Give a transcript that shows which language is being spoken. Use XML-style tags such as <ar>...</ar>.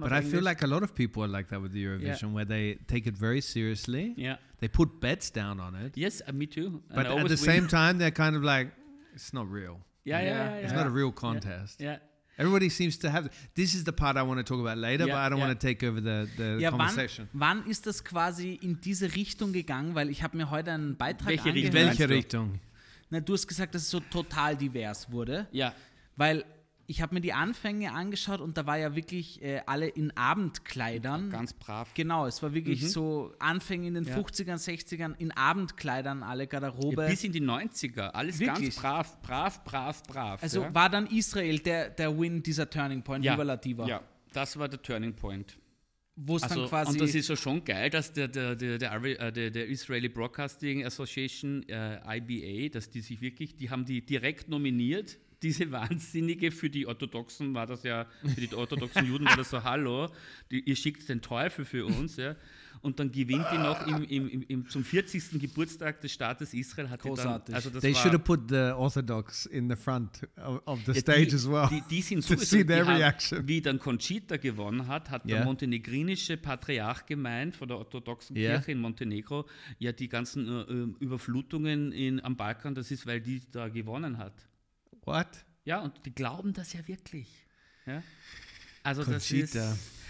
<en>But I feel like a lot of people are like that with the Eurovision, where they take it very seriously. Yeah, they put bets down on it. Yes, me too. But at the same time, they're kind of like, it's not real. Yeah, not a real contest. Yeah. Everybody seems to have... This is the part I want to talk about later, but I don't want to take over the conversation.</en> <de>Wann ist das quasi in diese Richtung gegangen? Weil ich habe mir heute einen Beitrag angehört. In welche Richtung? Na, du hast gesagt, dass es so total divers wurde. Ja. Weil ich habe mir die Anfänge angeschaut und da war ja wirklich alle in Abendkleidern. Ganz brav. Genau, es war wirklich so Anfänge in den 50ern, 60ern in Abendkleidern, alle Garderobe. Ja, bis in die 90er, alles wirklich? Ganz brav, brav, brav, brav. Also war dann Israel der Win, dieser Turning Point, Überlativer? Ja, das war der Turning Point. Also, dann quasi, und das ist ja schon geil, dass der Israeli Broadcasting Association, IBA, dass die sich wirklich, die haben die direkt nominiert. Diese Wahnsinnige, für die Orthodoxen war das ja, für die orthodoxen Juden war das so, hallo, ihr schickt den Teufel für uns. Ja. Und dann gewinnt die noch im zum 40. Geburtstag des Staates Israel. Hat großartig. Die dann, also das</de> <en>they war, should have put the Orthodox in the front of the stage</en> <de>die,</de> <en>as well.</en> <de>Die sind</de> <en>so, see their reaction.</en> <de>Wie dann Conchita gewonnen hat, hat der montenegrinische Patriarch gemeint von der orthodoxen Kirche in Montenegro, ja, die ganzen Überflutungen am Balkan, das ist, weil die da gewonnen hat.</de> <en>What?</en> <de>Ja, und die glauben das ja wirklich. Ja? Also Conchita. Das ist.</de>